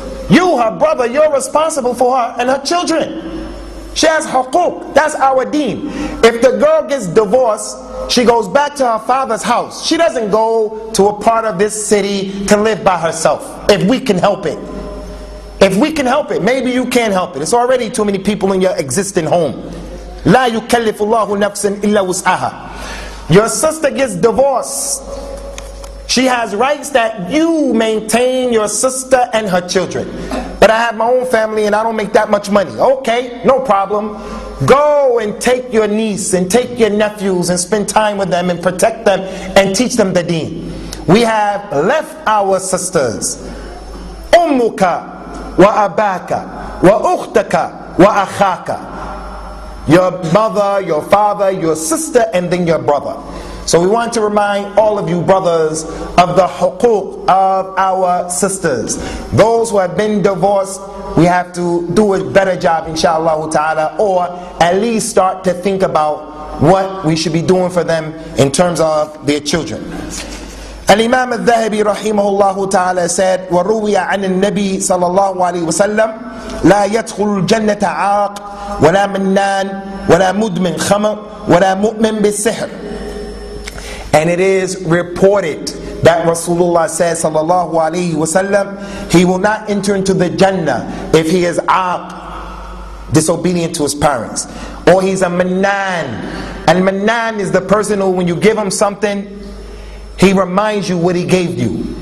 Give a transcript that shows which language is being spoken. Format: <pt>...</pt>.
<en>You, her brother, you're responsible for her and her children. She has haqq, that's our deen. If the girl gets divorced, She goes back to her father's house. She doesn't go to a part of this city to live by herself, if we can help it. If we can help it, maybe you can help it. It's already too many people in your existing home.</en> <ar>لا يكلف الله نفسا إلا وسعها.</ar> <en>Your sister gets divorced. She has rights that you maintain your sister and her children. But I have my own family and I don't make that much money. Okay, no problem. Go and take your niece and take your nephews and spend time with them and protect them and teach them the deen. We have left our sisters.</en> <ar>أمك وأباك وأختك وأخاك.</ar> <en>Your mother, your father, your sister, and then your brother. So we want to remind all of you brothers of the huquq of our sisters. Those who have been divorced, we have to do a better job, inshallah ta'ala, or at least start to think about what we should be doing for them in terms of their children.</en> <ar>Al-Imam al-Dhahabi rahimahullah ta'ala said, وَرُوِيَ عَنِ النَّبِي صَلَى اللَّهُ عَلَيْهِ وَسَلَّمْ لَا يَدْخُلُ الْجَنَّةَ عَاقٍ وَلَا مَنَّانٍ وَلَا مُدْمِنْ خَمَرٍ وَلَا مُؤْمِنْ بِالسِّحْرِ.</ar> <en>And it is reported that Rasulullah says, sallallahu alayhi wa sallam, he will not enter into the Jannah if he is aq, disobedient to his parents. Or he's a manan. And manan is the person who, when you give him something, he reminds you what he gave you.</en>